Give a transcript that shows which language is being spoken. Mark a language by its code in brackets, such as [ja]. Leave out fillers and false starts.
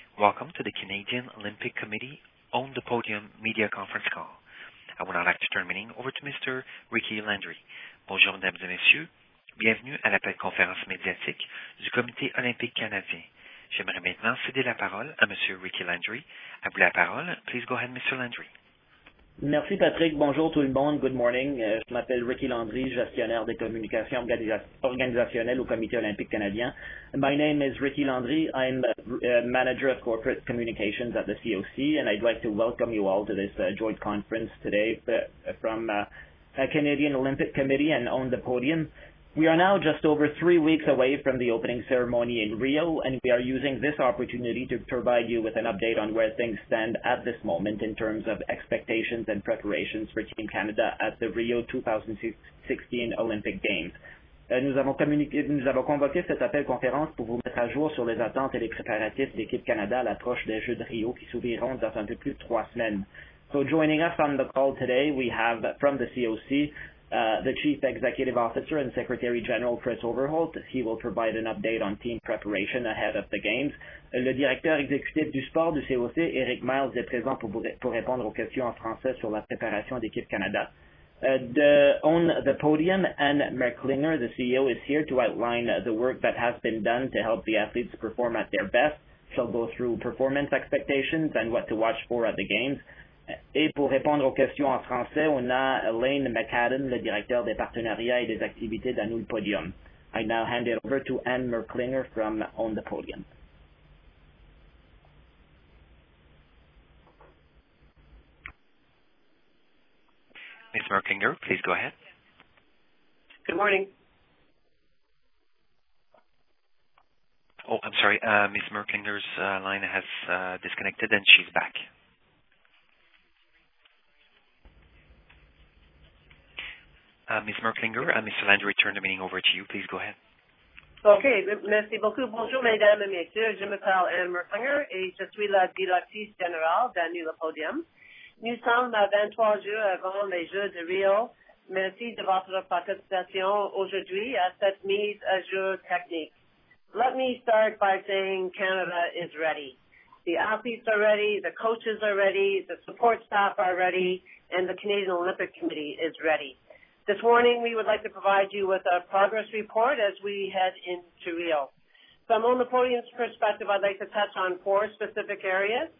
[en] Welcome to the Canadian Olympic Committee On the Podium media conference call. I would now like to turn the meeting over to Mr. [fr] Ricky Landry. Bonjour, mesdames et messieurs. Bienvenue à la conférence médiatique du Comité Olympique Canadien. J'aimerais maintenant céder la parole à Monsieur Ricky Landry. À vous la parole. [en] Please go ahead, Mr. Landry. [fr] Merci, Patrick. Bonjour tout le monde. [en] Good morning. [fr] Je m'appelle Ricky Landry, gestionnaire des communications organisationnelles au Comité olympique canadien. [en] My name is Ricky Landry. I'm manager of corporate communications at the COC, and I'd like to welcome you all to this joint conference today from the Canadian Olympic Committee and On the Podium. We are now just over 3 weeks away from the opening ceremony in Rio, and we are using this opportunity to provide you with an update on where things stand at this moment in terms of expectations and preparations for Team Canada at the Rio 2016 Olympic Games. [fr] Nous avons convoqué cet appel conférence pour vous mettre à jour sur les attentes et les préparatifs de l'équipe Canada à l'approche des Jeux de Rio qui s'ouvriront dans un peu plus de trois semaines. [en] So joining us on the call today, we have from the COC, the Chief Executive Officer and Secretary General Chris Overholt. He will provide an update on team preparation ahead of the Games. [fr] Le directeur exécutif du sport du COC, Eric Miles, est présent pour répondre aux questions en français sur la préparation d'équipe Canada. [en] The On the Podium, Anne Merklinger, the CEO, is here to outline the work that has been done to help the athletes perform at their best. She'll go through performance expectations and what to watch for at the Games. [fr] Et pour répondre aux questions en français, on a Lane McAdam, le directeur des partenariats et des activités d'Anul Podium. [en] I now hand it over to Anne Merklinger from On the Podium. Ms. Merklinger, please go ahead. Good morning. Oh, I'm sorry. Ms. Merklinger's line has disconnected and she's back. Ms. Merklinger, Mr. Landry, turn the meeting over to you. Please go ahead. [fr] Okay, merci beaucoup. Bonjour, mesdames et messieurs. Je m'appelle Anne Merklinger et je suis la directrice générale d'Annu Le Podium. Nous sommes à 23 jours avant les Jeux de Rio. Merci de votre participation aujourd'hui à cette mise à jour technique. [en] Let me start by saying Canada is ready. The athletes are ready, the coaches are ready, the support staff are ready, and the Canadian Olympic Committee is ready. This morning, we would like to provide you with a progress report as we head into Rio. From On the Podium's perspective, I'd like to touch on four specific areas.